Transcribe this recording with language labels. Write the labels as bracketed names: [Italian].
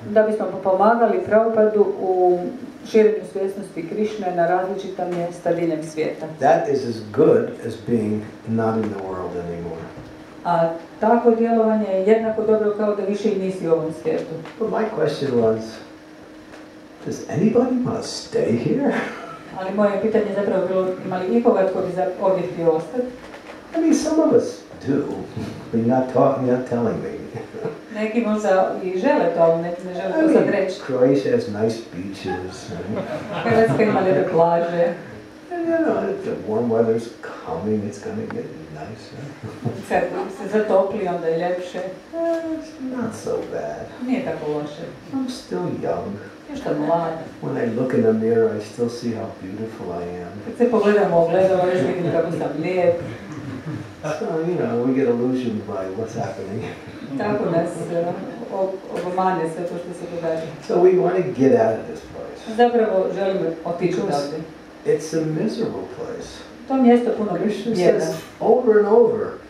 [Croatian] Da bismo pomagali Prabhupadu u širenju svjesnosti Krišne na različita mjesta diljem svijeta. [English] That is as good as being not in the world anymore. [Croatian] A takvo djelovanje je jednako dobro kao da više i nisi u ovom svijetu. [English] But my question was, does anybody want to stay here? [Croatian] Ali moje pitanje je zapravo bilo, ima li nikoga tko bi ovdje htio ostati? [English] I mean, some of us do, but not talking, not telling me. [Croatian] Neki možda i žele to, ali neki ne žele to sad reći. [English] Croatia has nice beaches. [Croatian] Hrvatska ima lijepe plaže. [English] The warm weather is coming, it's going to get nicer. [Croatian] Kad se zatopli, onda je ljepše. [English] Not so bad. [Croatian] Nije tako loše. [English] I'm still young. [Croatian] Još sam mlad. [English] When I look in the mirror, I still see how beautiful I am. [Croatian] Kad se pogledam u ogledalo, još vidim kako sam lijep. [English] So, you know, we get illusioned by what's happening. [Croatian] Tako nas obmane sve to što se događa. [English] So we want to get out of this place. [Croatian] Zapravo želimo otići odavde. [English] It's a miserable place. [Croatian] To mjesto puno [English] Krishna says over and over.